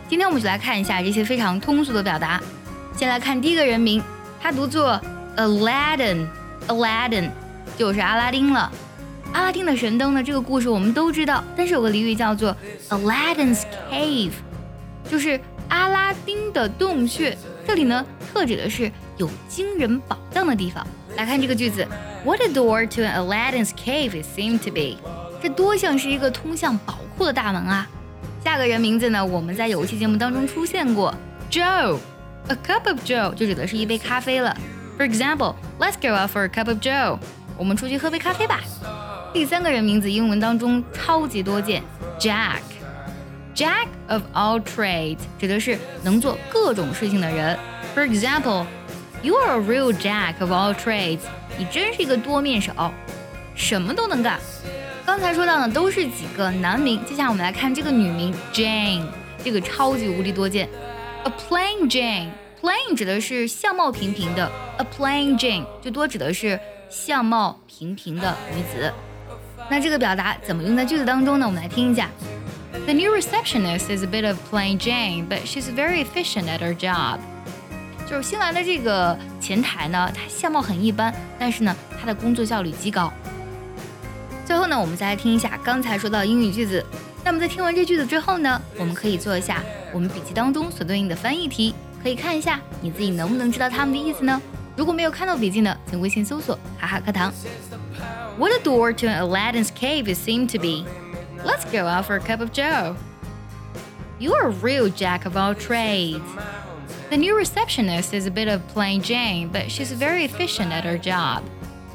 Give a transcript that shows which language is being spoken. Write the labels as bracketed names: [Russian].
[Chinese] 今天我们就来看一下这些非常通俗的表达。先来看第一个人名，它读作 Aladdin， 就是阿拉丁了。阿拉丁的神灯呢，这个故事我们都知道，但是有个俚语叫做 Aladdin's Cave， 就是阿拉丁的洞穴。这里呢特指的是有惊人宝藏的地方。来看这个句子， [English] What a door to an Aladdin's cave it seemed to be， [Chinese] 这多像是一个通向宝库的大门啊。下个人名字呢，我们在游戏节目当中出现过， Joe， A cup of Joe 就指的是一杯咖啡了。 [English] For example， Let's go out for a cup of Joe， [Chinese] 我们出去喝杯咖啡吧。第三个人名字英文当中超级多见， Jack， Jack of all trades 指的是能做各种事情的人。 [English] For example， You are a real Jack of all trades， [Chinese] 你真是一个多面手，什么都能干。刚才说到的都是几个男名，接下来我们来看这个女名 Jane， 这个超级无敌多见。 A plain Jane， plain 指的是相貌平平的， A plain Jane 就多指的是相貌平平的女子。那这个表达怎么用在句子当中呢？我们来听一下。 [English] The new receptionist is a bit of plain Jane, but she's very efficient at her job. [Chinese] 就是新来的这个前台呢，她相貌很一般，但是呢她的工作效率极高。最后呢，我们再来听一下刚才说到英语句子。那么在听完这句子之后呢，我们可以做一下我们笔记当中所对应的翻译题，可以看一下你自己能不能知道他们的意思呢？如果没有看到笔记呢，请微信搜索哈哈课堂。 [English] What a door to an Aladdin's cave it seemed to be. Let's go out for a cup of Joe. You are a real jack of all trades. The new receptionist is a bit of plain Jane, but she's very efficient at her job.